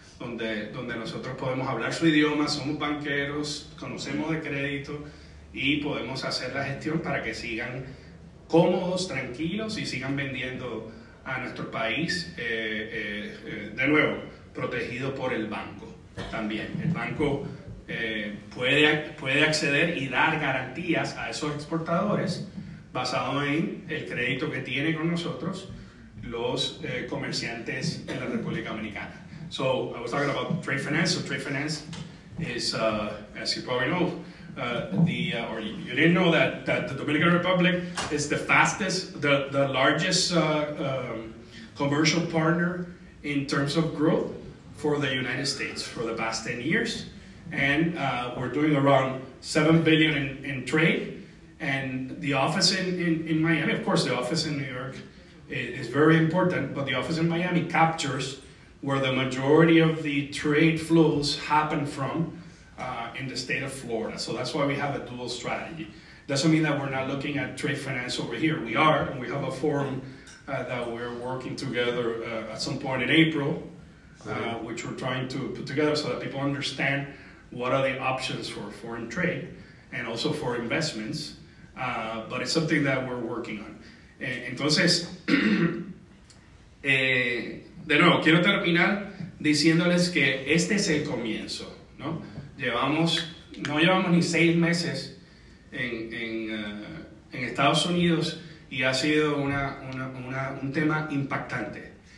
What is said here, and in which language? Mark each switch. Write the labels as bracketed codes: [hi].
[es] Donde nosotros podemos hablar su idioma, somos banqueros, conocemos de crédito y podemos hacer la gestión para que sigan cómodos, tranquilos y sigan vendiendo a nuestro país, de nuevo, protegido por el banco también. El banco puede acceder y dar garantías a esos exportadores basado en el crédito que tiene con nosotros los comerciantes en la República Dominicana. [en] So, I was talking about trade finance. So, trade finance is, as you probably know, you didn't know that the Dominican Republic is the fastest, the largest commercial partner in terms of growth for the United States for the past 10 years. And we're doing around $7 billion in trade. And the office in Miami, of course, the office in New York is very important, but the office in Miami captures where the majority of the trade flows happen from in the state of Florida. So that's why we have a dual strategy. Doesn't mean that we're not looking at trade finance over here. We are, and we have a forum that we're working together at some point in April, which we're trying to put together so that people understand what are the options for foreign trade and also for investments. But it's something that we're working on. [es] Entonces, de nuevo, quiero terminar diciéndoles que este es el comienzo, ¿no? No llevamos ni 6 meses en Estados Unidos y ha sido un tema impactante.